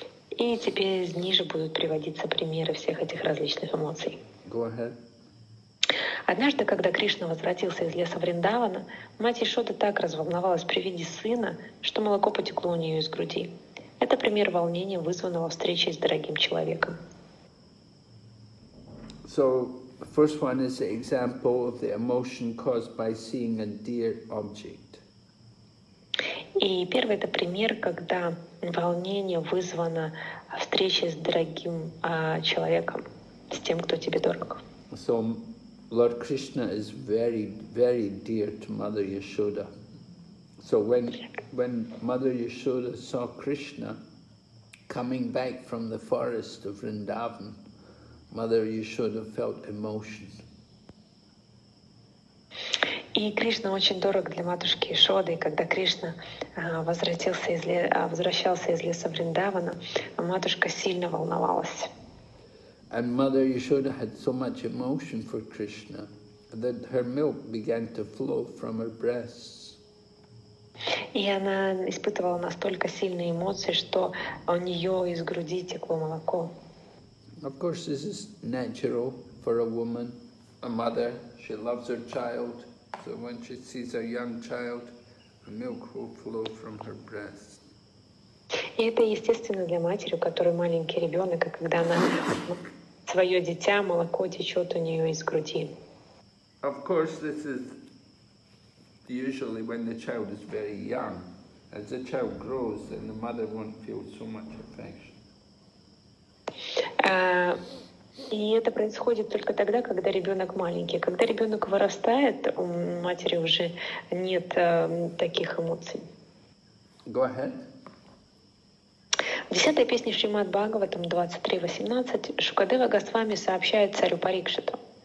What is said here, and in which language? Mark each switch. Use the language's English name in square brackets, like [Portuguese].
[Russian] И теперь ниже будут приводиться примеры всех этих различных эмоций. [English] Go ahead. [Russian] Однажды, когда Кришна возвратился из леса Вриндавана, мать Яшоды так разволновалась при виде сына, что молоко потекло у нее из груди. Это пример волнения, вызванного встречей с дорогим человеком. [English] So the first one is the example of the emotion caused by seeing a dear object. [Russian] И первый это пример, когда волнение вызвано встречей с дорогим человеком, с тем, кто тебе дорог. [English] So Lord Krishna is very, very dear to Mother Yashoda. So when Mother Yashoda saw Krishna coming back from the forest of Vrindavan, Mother Yashoda felt emotion. [Russian] И Кришна очень дорог для матушки Ишоды, и когда Кришна возвращался из леса Вриндавана, матушка сильно волновалась. [English] And Mother Yashoda had so much emotion for Krishna that her milk began to flow from her breasts. [Russian] И она испытывала настолько сильные эмоции, что у нее из груди текло молоко. [English] Of course, this is natural for a woman, a mother. She loves her child, so when she sees a young child, the milk will flow from her breast. [Russian] И это естественно для матери, у которой маленький ребенок, и когда она свое дитя, молоко течет у нее из груди. [English] Of course, this is usually when the child is very young. As the child grows, then the mother won't feel so much affection. [Russian] И это происходит только тогда, когда ребенок маленький. Когда ребенок вырастает, у матери уже нет таких эмоций. [English] Go ahead. [Russian] В 10-й песне Шримад Бхагаватам 23.18 Шукадева Госвами сообщает царю Парикшиту.